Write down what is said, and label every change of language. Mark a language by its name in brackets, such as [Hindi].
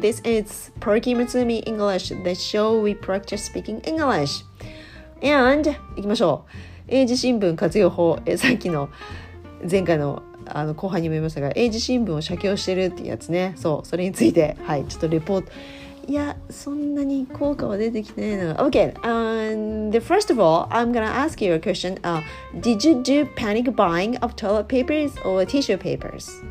[English] This is Perky Mitsumi English, the show we practice speaking English. [Japanese] And, 行きましょう。英字新聞活用法、さっきの前回 の, あの後半にも言いましたが、英字新聞を写経してるってやつね。そう、それについて、はい、ちょっとレポート。いや、そんなに効果は出てきてないな。 [English] Okay, first of all, I'm gonna ask you a question.、Did you do panic buying of toilet papers or tissue papers?